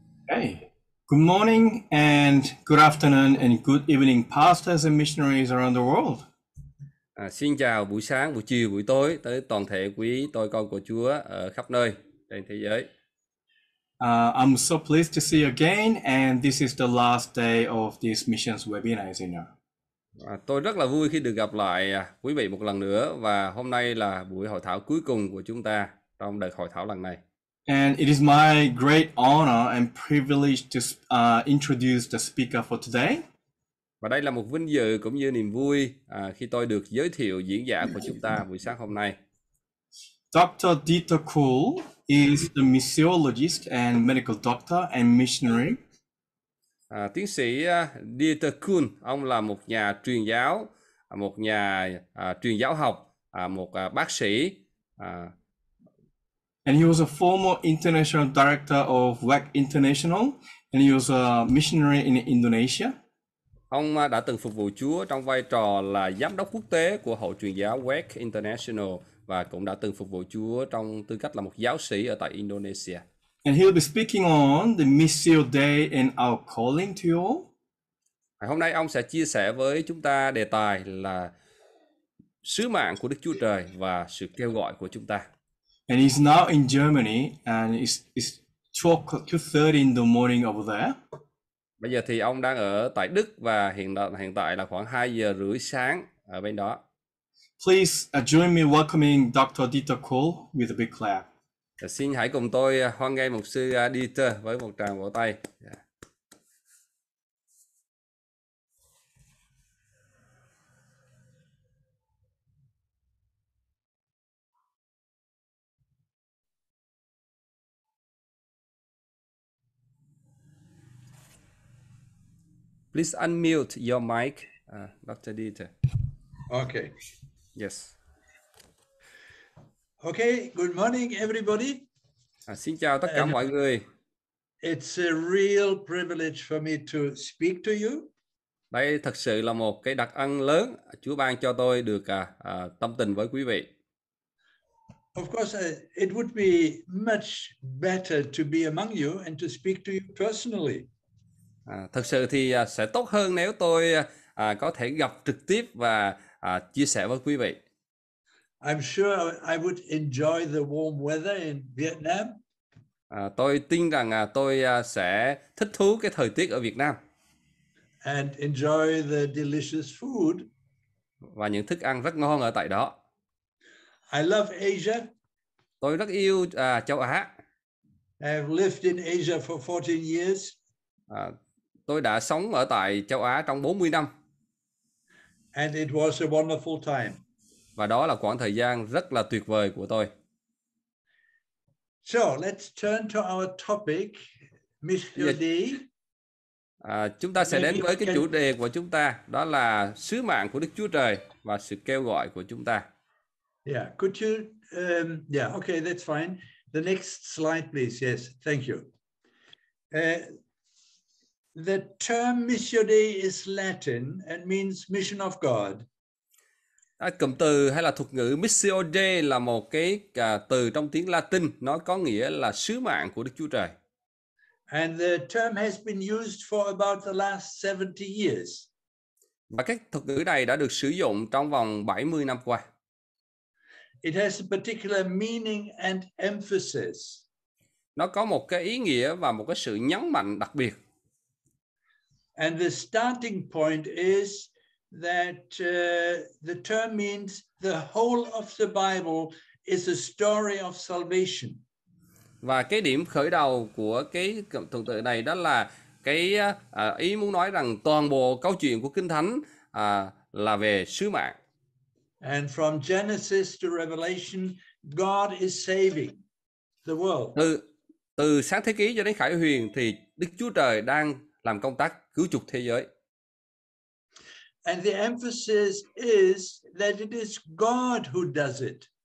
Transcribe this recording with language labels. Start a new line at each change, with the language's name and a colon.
English: Hey, good morning and good afternoon and good evening, pastors and missionaries around the world.
Vietnamese: Xin chào buổi sáng, buổi chiều, buổi tối tới toàn thể quý tôi con của Chúa ở khắp nơi trên thế giới.
English: I'm so pleased to see you again, and this is the last day of this missions webinar, as you know.
Vietnamese: Tôi rất là vui khi được gặp lại quý vị một lần nữa và hôm nay là buổi hội thảo cuối cùng của chúng ta trong đợt hội thảo lần này.
English: And it is my great honor and privilege to introduce the speaker for today.
Vietnamese: Và đây là một vinh dự cũng như niềm vui khi tôi được giới thiệu diễn giả của chúng ta buổi sáng hôm nay.
English: Dr. Dieter Kuhl is the missiologist and medical doctor and missionary.
Vietnamese: Tiến sĩ Dieter Kuhl, ông là một nhà truyền giáo, một nhà truyền giáo học, một bác sĩ.
English: And he was a former international director of WAC International, and he was a missionary in Indonesia.
Vietnamese: Ông đã từng phục vụ Chúa trong vai trò là giám đốc quốc tế của Hội Truyền giáo WAC International và cũng đã từng phục vụ Chúa trong tư cách là một giáo sĩ ở tại Indonesia.
English: And he'll be speaking on the Missio Dei and our calling to you all.
Vietnamese: Ngày hôm nay ông sẽ chia sẻ với chúng ta đề tài là sứ mạng của Đức Chúa Trời và sự kêu gọi của chúng ta.
English: And he's now in Germany, and it's 2:30 in the morning over there.
Vietnamese: Bây giờ thì ông đang ở tại Đức và hiện tại là khoảng 2 giờ rưỡi sáng ở bên đó.
English: Please join me welcoming Dr. Dieter Kuhl with a big clap.
Vietnamese: Và xin hãy cùng tôi hoan nghênh mục sư Dieter với một tràng vỗ tay.
English: Please unmute your mic, Dr. Dieter. Okay. Yes. Okay, good morning, everybody.
Vietnamese: Xin chào tất cả mọi người.
English: It's a real privilege for me to speak to you.
Vietnamese: Đây thật sự là một cái đặc ân lớn Chúa ban cho tôi được tâm tình với quý vị.
English: Of course, it would be much better to be among you and to speak to you personally.
Vietnamese: Thật sự thì sẽ tốt hơn nếu tôi có thể gặp trực tiếp và chia sẻ với quý vị.
English: I'm sure I would enjoy the warm weather in Vietnam.
Vietnamese: Tôi tin rằng tôi sẽ thích thú cái thời tiết ở Việt Nam.
English: And enjoy the delicious food.
Vietnamese: Và những thức ăn rất ngon ở tại đó.
English: I love Asia.
Vietnamese: Tôi rất yêu châu Á.
English: I've lived in Asia for 14 years.
Vietnamese: Tôi đã sống ở tại châu Á trong 40 năm.
English: And it was a wonderful time.
Vietnamese: Và đó là khoảng thời gian rất là tuyệt vời của tôi.
English: So, let's turn to our topic, Missio Dei.
Vietnamese: Chúng ta sẽ đến với cái chủ đề của chúng ta, đó là sứ mạng của Đức Chúa Trời và sự kêu gọi của chúng ta.
English: Yeah, could you okay, that's fine. The next slide please. Yes, thank you. The term Missio Dei is Latin and means mission of God.
Vietnamese: Cụm từ hay là thuật ngữ Missio Dei là một cái từ trong tiếng Latin, nó có nghĩa là sứ mạng của Đức Chúa Trời.
English: And the term has been used for about the last 70 years.
Vietnamese: Và cái thuật ngữ này đã được sử dụng trong vòng 70 năm qua.
English: It has a particular meaning and emphasis.
Vietnamese: Nó có một cái ý nghĩa và một cái sự nhấn mạnh đặc biệt.
English: And the starting point is that the term means the whole of the Bible is a story of salvation.
Vietnamese: Và cái điểm khởi đầu của cái thuật ngữ này đó là cái ý muốn nói rằng toàn bộ câu chuyện của Kinh Thánh là về sứ mạng.
English: And from Genesis to Revelation, God is saving the world.
Vietnamese: Từ Sáng Thế Ký cho đến Khải Huyền thì Đức Chúa Trời đang làm công tác cứu chuộc thế giới.
English: And the emphasis is that it is God who does it.